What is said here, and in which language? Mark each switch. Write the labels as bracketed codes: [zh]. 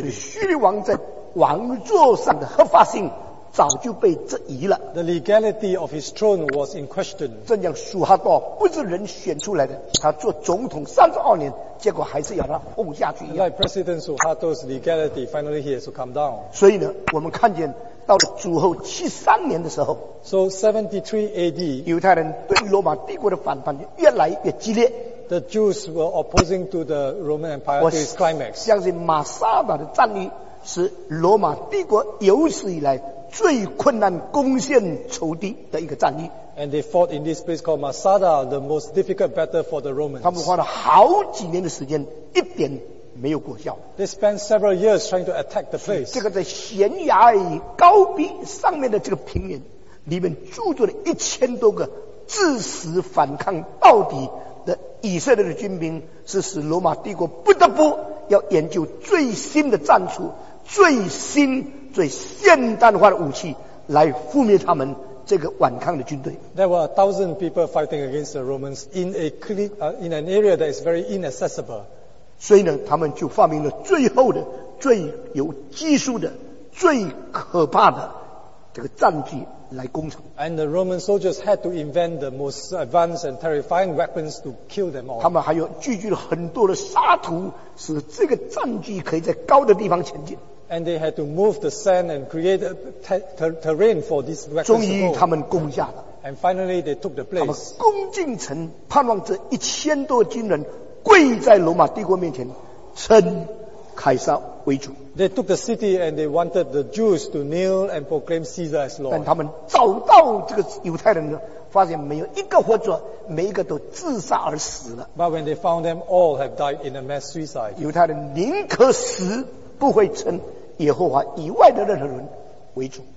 [zh] 所以叙利王在王座上的合法性早就被质疑了。 [en] The legality of his throne was in question. [zh] 正像苏哈多不是人选出来的，他做总统32年，结果还是要他轰下去一样。 [en] Like President Suharto's legality, finally he has to come down. [zh] 所以呢，我们看见到了主后73年的时候 [en] ，So 73 A.D. [zh] 犹太人对罗马帝国的反叛就越来越激烈。 [en] The Jews were opposing to the Roman Empire to its climax. [zh] 相信马萨达的战役是罗马帝国有史以来最困难攻陷仇敌的一个战役。 [en] And they fought in this place called Masada, the most difficult battle for the Romans. [zh] 他们花了好几年的时间，一点没有果效。 [en] They spent several years trying to attack the place. [zh] 这个在悬崖高壁上面的这个平原，里面住着了1000多个至死反抗到底的以色列的军兵，是使罗马帝国不得不要研究最新的战术，最新最现代化的武器来覆灭他们这个顽抗的军队。 [en] There were 1,000 people fighting against the Romans in a in an area that is very inaccessible. [zh] 所以呢，他们就发明了最后的、最有技术的、最可怕的这个战具来攻城。 [en] And the Roman soldiers had to invent the most advanced and terrifying weapons to kill them all. [zh] 他们还有聚集了很多的沙土，使这个战具可以在高的地方前进。 [en] And they had to move the sand and create terrain for this weapon. [zh] 终于他们攻下了。 [en] And finally, they took the place. [zh] 他们攻进城，盼望这1000多军人跪在罗马帝国面前，称凯撒为主。 [en] They took the city and they wanted the Jews to kneel and proclaim Caesar as Lord. [zh] 但他们找到这个犹太人呢，发现没有一个活着，每一个都自杀而死了。 [en] But when they found them, all have died in a mass suicide. [zh] 犹太人宁可死，不会称耶和华以外的任何人为主。